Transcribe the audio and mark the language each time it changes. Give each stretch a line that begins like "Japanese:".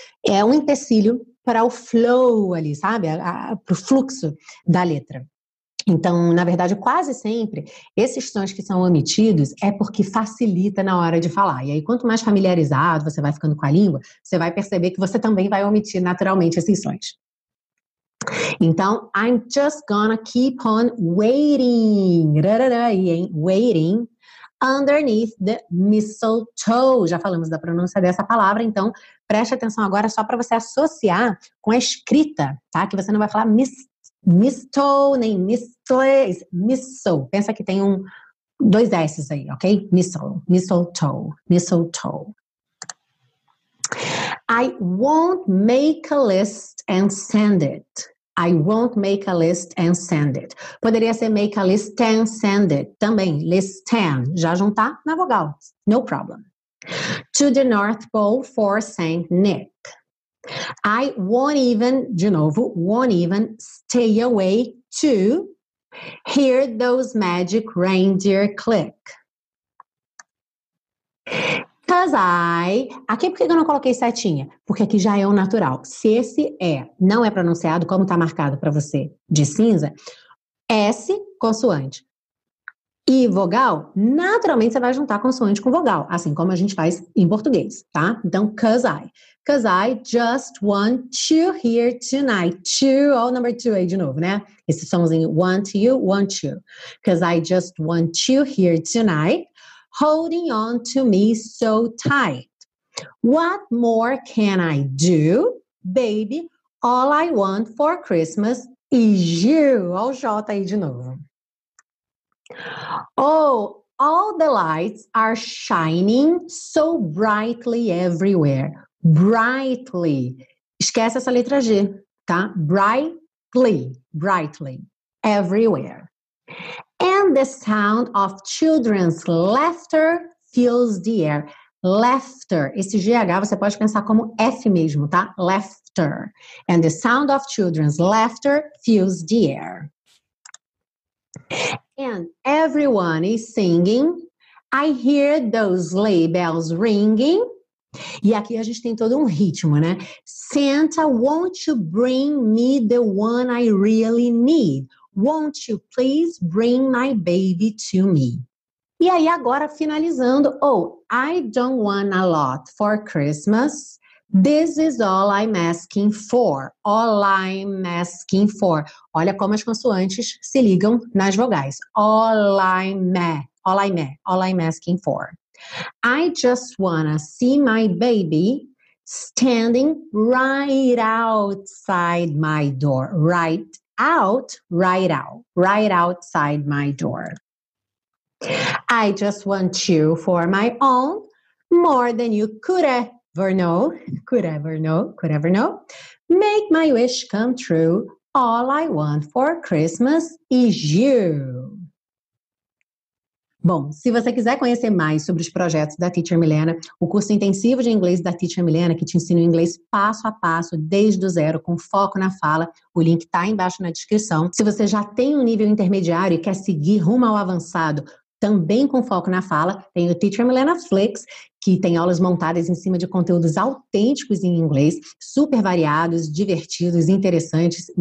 Portuguese: É um empecilho para o flow ali, sabe? Para o fluxo da letra. Então, na verdade, quase sempre, esses sons que são omitidos é porque facilita na hora de falar. E aí, quanto mais familiarizado você vai ficando com a língua, você vai perceber que você também vai omitir naturalmente esses sons. Então,
English: I'm just gonna keep on waiting, waiting underneath the mistletoe.
Portuguese: Já falamos da pronúncia dessa palavra, então preste atenção agora só para você associar com a escrita, tá? Que você não vai falar mistletoe, nem mistletoe, mistletoe. Pensa que tem dois S's aí, ok?
English: Mistletoe, mistletoe, mistletoe. I won't make a list and send it. I won't make a list and send it.
Portuguese: Poderia ser
English: make a list and send it.
Portuguese: Também, list and. Já juntar na vogal.
English: No problem. To the North Pole for St. Nick. I won't even,
Portuguese: de novo,
English: won't even stay away to hear those magic reindeer click. Cause I...
Portuguese: Aqui, por que eu não coloquei setinha? Porque aqui já é o natural. Se esse E não é pronunciado, como tá marcado para você de cinza, S, consoante, e vogal, naturalmente você vai juntar consoante com vogal, assim como a gente faz em português, tá?
English: Então, cause I. Cause I just want to hear tonight.
Portuguese: To, all number two aí de novo, né? Esse somzinho, want you.
English: Cause I just want to hear tonight. Holding on to me so tight. What more can I do? Baby, all I want for Christmas
Portuguese: Gil, olha o Jota aí de novo.
English: Oh, all the lights are shining so brightly everywhere.
Portuguese: Brightly. Esquece essa letra G, tá?
English: Brightly, brightly, everywhere. And the sound of children's laughter fills the air. Laughter.
Portuguese: Esse GH você pode pensar como F mesmo, tá?
English: Laughter. And the sound of children's laughter fills the air. And everyone is singing. I hear those sleigh bells ringing.
Portuguese: E aqui a gente tem todo um ritmo, né?
English: Santa, won't you bring me the one I really need? Won't you please bring my baby to me?
Portuguese: E aí, agora finalizando.
English: Oh, I don't want a lot for Christmas. This is all I'm asking for. All I'm asking for.
Portuguese: Olha como as consoantes se ligam nas vogais.
English: All I'm, all I'm, all I'm asking for. I just wanna see my baby standing right outside my door. Right out, right out, right outside my door. I just want you for my own, more than you could ever know. Could ever know, could ever know. Make my wish come true. All I want for Christmas is you.
Portuguese: Bom, se você quiser conhecer mais sobre os projetos da Teacher Milena, o curso intensivo de inglês da Teacher Milena, que te ensina o inglês passo a passo, desde o zero, com foco na fala, o link está aí embaixo na descrição. Se você já tem um nível intermediário e quer seguir rumo ao avançado, também com foco na fala, tem o Teacher Milena Flex, que tem aulas montadas em cima de conteúdos autênticos em inglês, super variados, divertidos, interessantes.